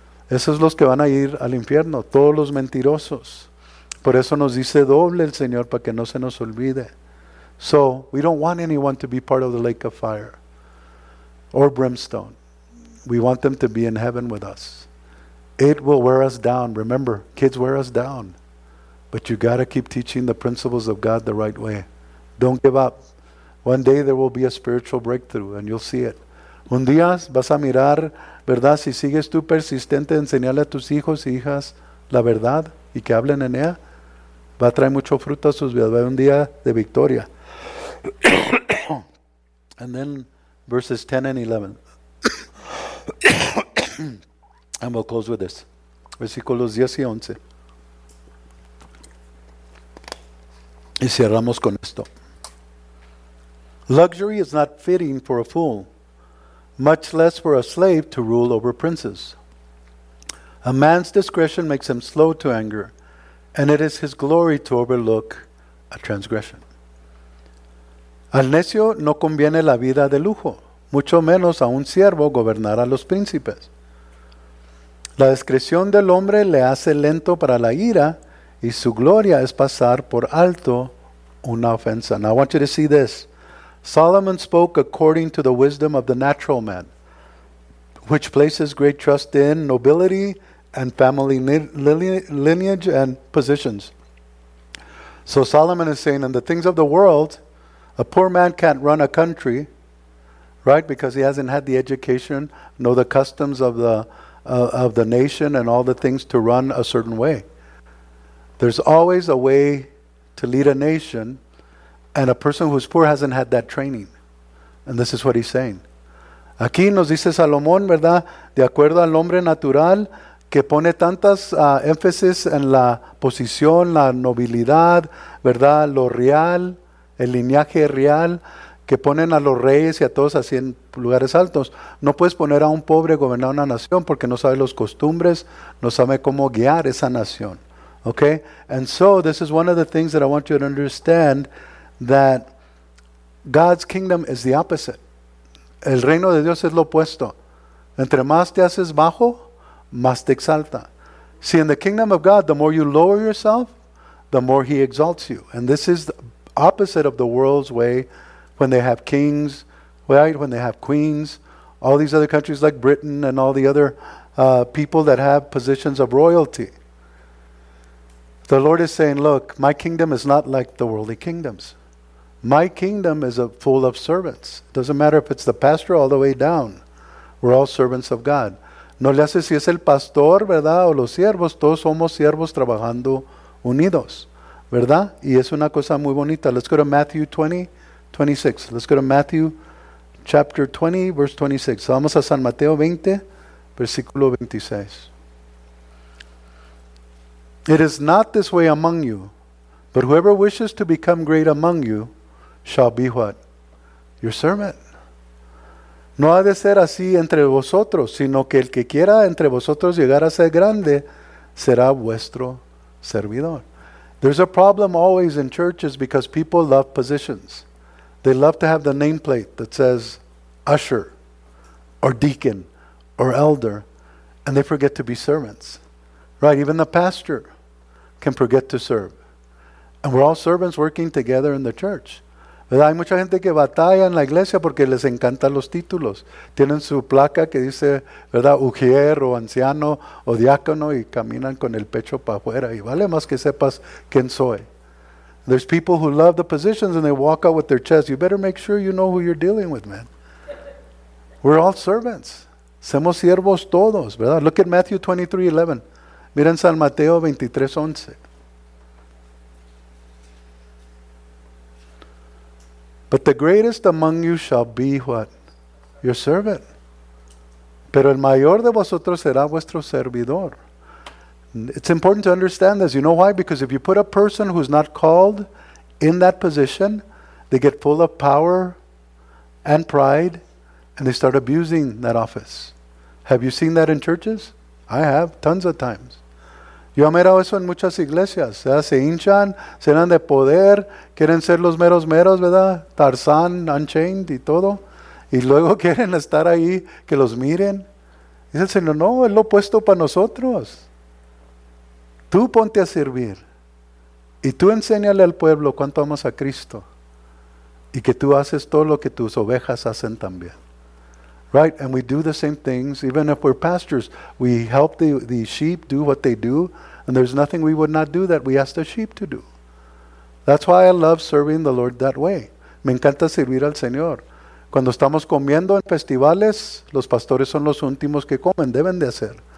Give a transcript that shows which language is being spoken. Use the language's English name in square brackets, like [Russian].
[Spanish] Esos son los que van a ir al infierno, todos los mentirosos. Por eso nos dice doble el Señor, para que no se nos olvide. [English] So, we don't want anyone to be part of the lake of fire or brimstone. We want them to be in heaven with us. It will wear us down. Remember, kids wear us down. But you got to keep teaching the principles of God the right way. Don't give up. One day there will be a spiritual breakthrough and you'll see it. [Spanish] Un día vas a mirar, ¿verdad? Si sigues tú persistente en enseñarle a tus hijos y hijas la verdad y que hablen en ella, va a traer mucho fruto a sus vidas. Va a haber un día de victoria. [English] And then verses 10 and 11. And we'll close with this. [Spanish] Versículos 10 y 11. Y cerramos con esto. [English] Luxury is not fitting for a fool, much less for a slave to rule over princes. A man's discretion makes him slow to anger, and it is his glory to overlook a transgression. [Spanish] Al necio no conviene la vida de lujo, mucho menos a un siervo gobernar a los príncipes. La discreción del hombre le hace lento para la ira, y su gloria es pasar por alto una ofensa. [English] Now I want you to see this. Solomon spoke according to the wisdom of the natural man, which places great trust in nobility and family lineage and positions. So Solomon is saying, in the things of the world, a poor man can't run a country, right? Because he hasn't had the education, know the customs of the nation and all the things to run a certain way. There's always a way to lead a nation, and a person who's poor hasn't had that training. And this is what he's saying. [Spanish] Aquí nos dice Salomón, ¿verdad? De acuerdo al hombre natural que pone tantas énfasis en la posición, la nobilidad, ¿verdad? Lo real, el linaje real, que ponen a los reyes y a todos así en lugares altos. No puedes poner a un pobre gobernar una nación porque no sabe los costumbres, no sabe cómo guiar esa nación. [English] Okay? And so this is one of the things that I want you to understand, that God's kingdom is the opposite. [Spanish] El reino de Dios es lo opuesto. Entre más te haces bajo, más te exalta. [English] See, in the kingdom of God, the more you lower yourself, the more he exalts you. And this is the opposite of the world's way. When they have kings, right? When they have queens, all these other countries like Britain and all the other people that have positions of royalty. The Lord is saying, look, my kingdom is not like the worldly kingdoms. My kingdom is full of servants. Doesn't matter if it's the pastor all the way down. We're all servants of God. [Spanish] No le hace si es el pastor, ¿verdad? O los siervos, todos somos siervos trabajando unidos, ¿verdad? Y es una cosa muy bonita. [English] Let's go to Matthew 20. 26. Let's go to Matthew chapter 20, verse 26. [Spanish] So vamos a San Mateo 20, versículo 26. [English] It is not this way among you, but whoever wishes to become great among you shall be what? Your servant. [Spanish] No ha de ser así entre vosotros, sino que el que quiera entre vosotros llegar a ser grande será vuestro servidor. [English] There's a problem always in churches because people love positions. They love to have the nameplate that says usher or deacon or elder, and they forget to be servants. Right, even the pastor can forget to serve. And we're all servants working together in the church. [Spanish] ¿Verdad? Hay mucha gente que batalla en la iglesia porque les encantan los títulos. Tienen su placa que dice, ¿verdad? Ujier o anciano o diácono y caminan con el pecho para afuera. Y vale más que sepas quién soy. [English] There's people who love the positions and they walk out with their chest. You better make sure you know who you're dealing with, man. We're all servants. [Spanish] Somos siervos todos, ¿verdad? [English] Look at Matthew 23:11. [Spanish] Miren San Mateo 23:11. [English] But the greatest among you shall be what? Your servant. [Spanish] Pero el mayor de vosotros será vuestro servidor. [English] It's important to understand this. You know why? Because if you put a person who's not called in that position, they get full of power and pride and they start abusing that office. Have you seen that in churches? I have, tons of times. [Spanish] Yo he mirado eso en muchas iglesias. ¿Verdad? Se hinchan, se dan de poder, quieren ser los meros meros, ¿verdad? Tarzán, Unchained y todo. Y luego quieren estar ahí, que los miren. Dice el Señor, no, es lo opuesto para nosotros. Tú ponte a servir. Y tú enséñale al pueblo cuánto amas a Cristo. Y que tú haces todo lo que tus ovejas hacen también. [English] Right, and we do the same things, even if we're pastors. We help the sheep do what they do, and there's nothing we would not do that we ask the sheep to do. That's why I love serving the Lord that way. [Spanish] Me encanta servir al Señor. Cuando estamos comiendo en festivales, los pastores son los últimos que comen, deben de hacer.